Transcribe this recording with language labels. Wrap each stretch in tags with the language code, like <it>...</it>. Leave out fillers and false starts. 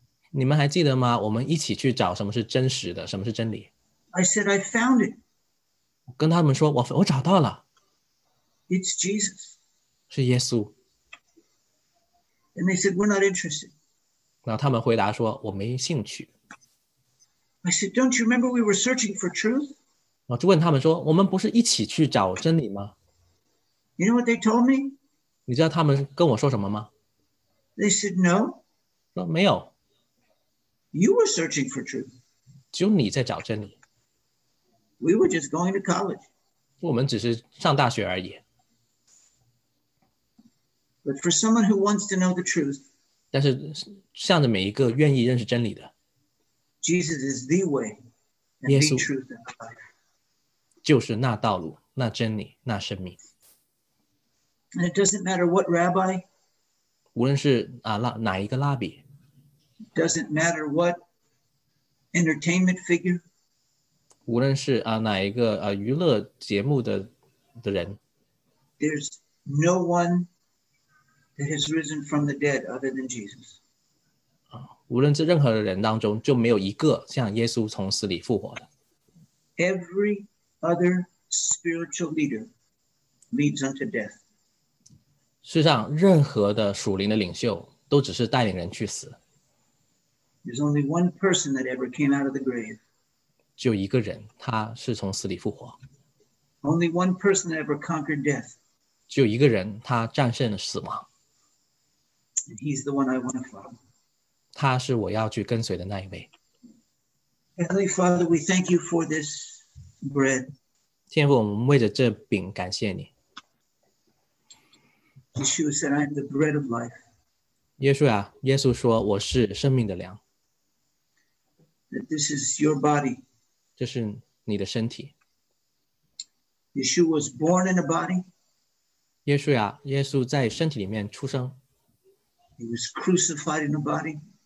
<zh>你们还记得吗？我们一起去找什么是真实的，什么是真理。</zh> <en>I said, "I found it."</en> <zh>跟他们说，我找到了。</zh> <en>It's Jesus.</en> <zh>是耶稣。</zh> <en>And they said, "We're not interested."</en> <zh>然后他们回答说，我没兴趣。</zh> <en>I said, "Don't you remember we were searching for truth?"</en> <zh>我就问他们说，我们不是一起去找真理吗？</zh> <en>You know what they told me?</en> <zh>你知道他们跟我说什么吗？</zh> <en>They said, "No."</en> <zh>说没有。</zh> <en>You were searching for truth.</en> <zh>只有你在找真理。</zh> <en>We were just going to college.</en> <zh>我们只是上大学而已。</zh> <en>But for someone who wants to know the truth,</en> <zh>但是向着每一个愿意认识真理的。</zh> <en>Jesus is the way and the truth and the life.</en> <zh>就是那道路，那真理，那生命。</zh> <en>And it doesn't matter what rabbi.</en> <zh>无论是哪一个拉比。</zh> <en>Doesn't matter what entertainment figure.</en> <zh>无论是哪一个娱乐节目的人。</zh> <en>There's no one that has risen from the dead other than Jesus.</en> <zh>无论是任何的人当中，就没有一个像耶稣从死里复活的。</zh> <en>Every other spiritual leader leads unto death.</en> <zh>世上任何的属灵的领袖都只是带领人去死。</zh> <en>There's only one person that ever came out of the grave.</en> <zh>就一个人，他是从死里复活。</zh> <en>Only one person that ever conquered death.</en> <zh>就一个人，他战胜了死亡。</zh> <en>And he's the one I want to follow.</en> <zh>他是我要去跟随的那一位。</zh> <en>Heavenly Father, we thank you for this bread.</en> <zh>天父，我们为着这饼感谢你。</zh> <en>Yeshua said, "I am the bread of life."</en> <zh>耶稣呀，耶稣说，我是生命的粮。</zh> <en>That this is your body.</en> <zh>这是你的身体。</zh> <en>Yeshua was born in a body.</en> <zh>耶稣呀，耶稣在身体里面出生。</zh> <en>He was crucified in a body.</en>